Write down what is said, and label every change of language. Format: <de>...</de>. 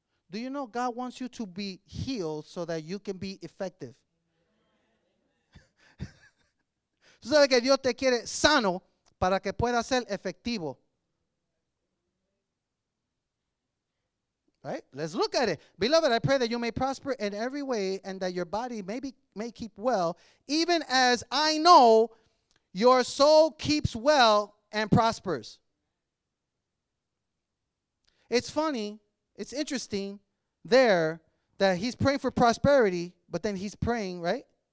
<en>Do you know God wants you to be healed so that you can be effective?</en> <es>Tú sabes que Dios te quiere sano para que pueda ser efectivo.</es> <en>Right? Let's look at it. Beloved, I pray that you may prosper in every way and that your body may keep well, even as I know your soul keeps well and prospers. It's funny, it's interesting there that he's praying for prosperity, but then he's praying, right?</en>